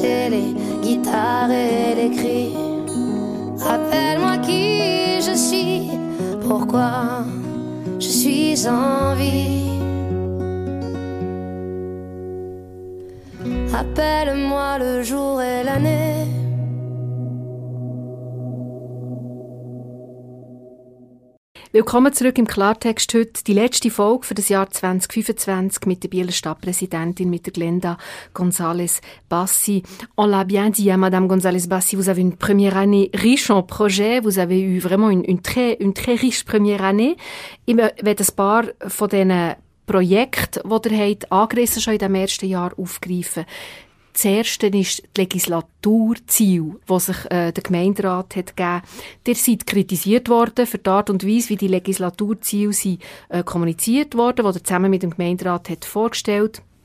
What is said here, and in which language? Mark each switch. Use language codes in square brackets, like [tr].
[fr] Les guitares et les cris, rappelle-moi qui je suis, pourquoi je suis en vie. Rappelle-moi le jour et l'année. [de] Willkommen zurück im Klartext heute, die letzte Folge für das Jahr 2025 mit der Bieler Stadtpräsidentin, mit der Glenda González-Bassi. [fr] On l'a bien dit, hein, Madame González-Bassi, vous avez une première année riche en projets, vous avez eu vraiment une très riche première année. [de] Ich möchte ein paar von diesen Projekten, die ihr habt, angerissen, schon in dem ersten Jahr aufgreifen. Das erste ist die Legislaturziel, das sich der Gemeinderat hat gegeben. Ihr seid kritisiert worden für die Art und Weise, wie die Legislaturziele sind, kommuniziert worden, die ihr zusammen mit dem Gemeinderat hat vorgestellt.